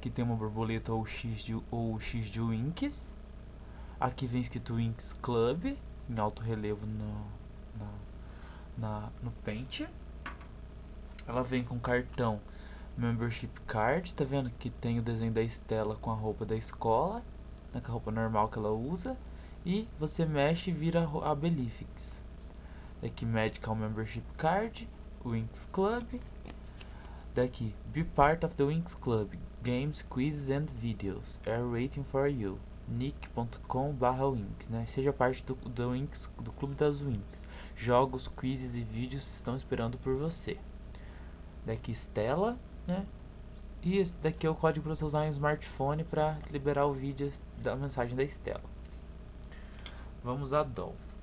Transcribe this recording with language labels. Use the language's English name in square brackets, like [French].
[Portuguese] Aqui tem uma borboleta ou X de Winx. Aqui vem escrito Winx Club, em alto relevo no pente. Ela vem com cartão. [English] Membership card, [Portuguese] tá vendo? Que tem o desenho da Stella com a roupa da escola, né? Com a roupa normal que ela usa. E você mexe e vira a Believix. [English] Daqui Medical Membership Card, Winx Club. Daqui, Be part of the Winx Club. Games, quizzes and videos. Are waiting for you. [Portuguese] nick.com/winx, né? Seja parte do Winx, do Clube das Winx. Jogos, quizzes e vídeos estão esperando por você. Daqui Estela, né? E esse daqui é o código para você usar em smartphone para liberar o vídeo da mensagem da Estela. Vamos a Doll.